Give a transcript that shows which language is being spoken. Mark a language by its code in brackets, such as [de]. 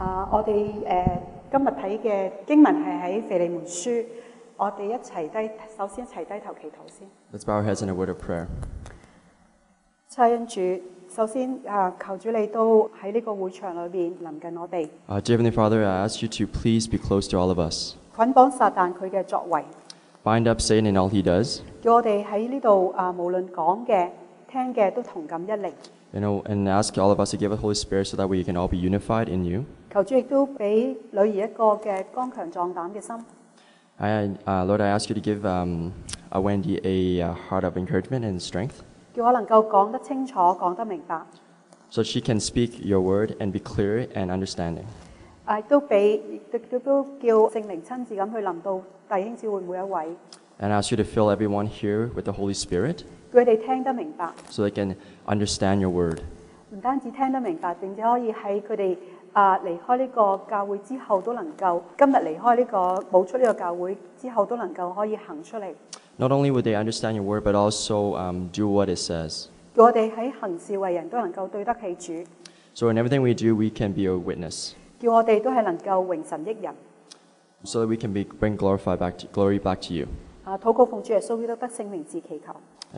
[yue] 我哋今日睇嘅经文系喺腓利门书，我哋首先一齐低头祈祷先。 [en] Let's bow our heads in a word of prayer. [yue] 亲爱的主，首先求主你都喺呢个会场里边临近我哋。 [en] Dear Heavenly Father, I ask you to please be close to all of us. [yue] 捆绑撒旦佢嘅作为。 [en] Bind up Satan and all he does. [yue] 叫我哋喺呢度无论讲嘅、听嘅都同感一灵。 [en] And ask all of us to give us Holy Spirit so that we can all be unified in you. [yue] 求主亦都俾女兒一個嘅剛強壯膽嘅心。 [en] Lord, I ask you to give Wendy a heart of encouragement and strength. [yue] 叫我能夠講得清楚，講得明白。 [en] So she can speak your word and be clear and understanding. [yue] 亦都叫聖靈親自咁去臨到弟兄姊妹每一位。 [en] And ask you to fill everyone here with the Holy Spirit. [yue] 叫他們聽得明白。 [en] So they can understand your word. [yue] 不單止聽得明白，並且可以在他們離開這個教會之後都能夠，今天離開這個，沒有出這個教會之後都能夠可以行出來。 [en] Not only would they understand your word, but also do what it says. [yue] 叫我們在行事為人都能夠對得起主。 [en] So in everything we do, we can be a witness. [yue] 叫我們都是能夠榮神益人。 [en] So that we can bring glory back to you. [yue] 禱告奉主耶穌基督得聖靈字祈求。